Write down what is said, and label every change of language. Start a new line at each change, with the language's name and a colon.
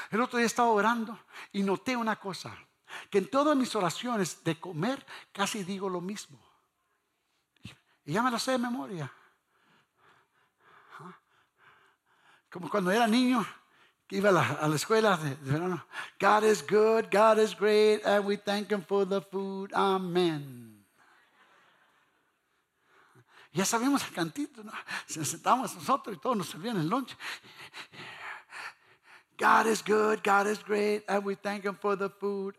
Spanish: El otro día estaba orando y noté una cosa: que en todas mis oraciones de comer casi digo lo mismo. Y ya me lo sé de memoria. Como cuando era niño, que iba a la escuela de verano.
English: God is good, God is great, and we thank him for the food. Amen.
Spanish: Ya sabíamos el cantito, ¿no? Se sentábamos nosotros y todos nos servían el lunch.
English: God is good, God is great, and we thank him for the food.